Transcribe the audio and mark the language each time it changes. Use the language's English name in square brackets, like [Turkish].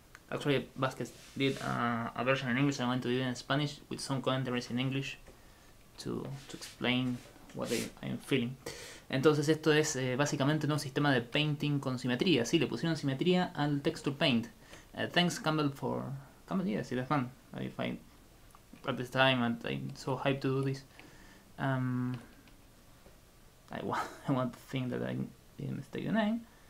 [English] Actually, Vasquez did a version in English. I want to do it in Spanish with some commentaries in English to explain what I'm feeling. [Spanish] Entonces, esto es básicamente un sistema de painting con simetría. Sí, le pusieron simetría al [English] texture paint. Thanks, Campbell, for. Campbell, yes, it's fun. I find at this time, and I'm so hyped to do this. I want to think that I didn't mistake the name.